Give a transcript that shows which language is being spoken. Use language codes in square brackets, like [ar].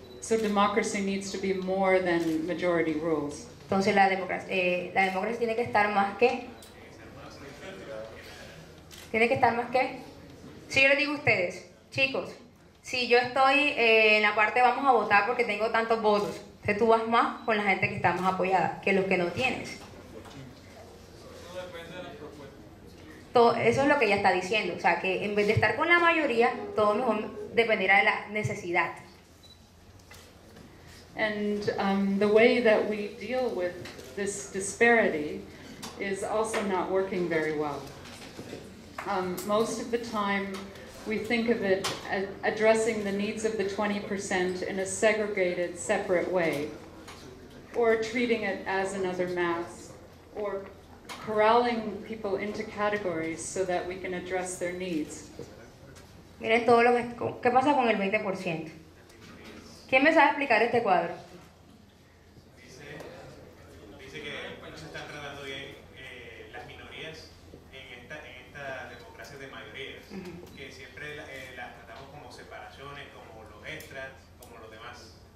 [en] So democracy needs to be more than majority rules. [es] Entonces la democracia tiene que estar más que. Tiene que estar más que. Si yo les digo a ustedes, chicos, si yo estoy en la parte vamos a votar porque tengo tantos votos, entonces tú vas más con la gente que está más apoyada que los que no tienes. Todo, eso es lo que ella está diciendo. O sea, que en vez de estar con la mayoría, todo mejor dependerá de la necesidad. [en] And the way that we deal with this disparity is also not working very well. Most of the time, we think of it as addressing the needs of the 20% in a segregated, separate way, or treating it as another mass, or corralling people into categories so that we can address their needs. [es] Miren todo lo que, ¿qué pasa con el 20%? ¿Quién me sabe explicar este cuadro? Dice que no se están tratando bien las minorías en esta democracia de mayorías. Uh-huh. Que siempre las tratamos como separaciones, como los extras, como los demás.